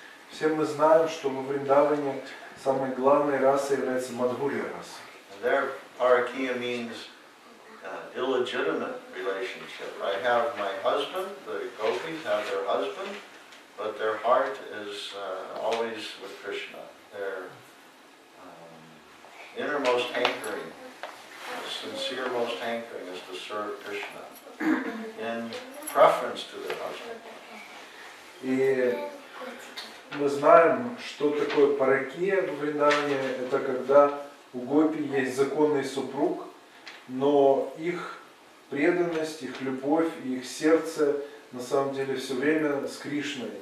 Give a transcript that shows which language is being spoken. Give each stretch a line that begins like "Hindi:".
Russian: Все мы знаем, что во Вриндаване самой главной расой является Мадхурья раса.
English: There, parakiya means illegitimate relationship. I have my husband, the gopis have their husband, but their heart is always with Krishna. Their innermost hankering, sincere most hankering is to serve Krishna in preference to their husband.
Russian: Мы знаем, что такое паракия в Вриндаване, это когда у гопи есть законный супруг, но их преданность, их любовь и их сердце на самом деле все время с Кришной.